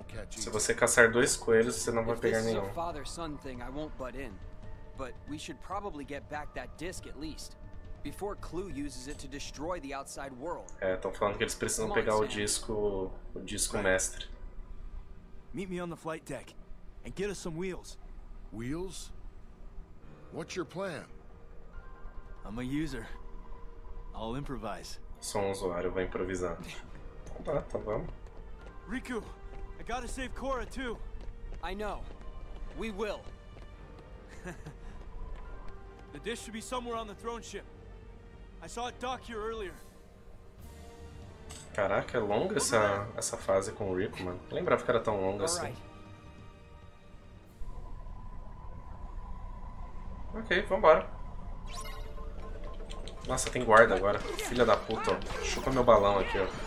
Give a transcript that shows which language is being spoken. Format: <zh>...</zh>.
<pt>Se você caçar dois coelhos, você não vai pegar nenhum.</pt> <en>But we should probably get back that disc at least before Clue uses it to destroy the outside world.</en> <pt>É, estão falando que eles precisam pegar o disco mestre.</pt> <en>Meet me on the flight deck and get us some wheels. Wheels? What's your plan? I'm a user. I'll improvise.</en> <pt>Sou um usuário, vou improvisar. Tá, vamos.</pt> <en>Riku, I gotta save Korra too. I know. We will. The dish should be somewhere on the throne ship. I saw it dock here earlier.</en> <pt>Caraca, é longa essa fase com o Riku, mano. Não lembrava que era tão longa assim. Ok, vambora. Nossa, tem guarda agora. Filha da puta, ó. Chupa meu balão aqui, ó.</pt>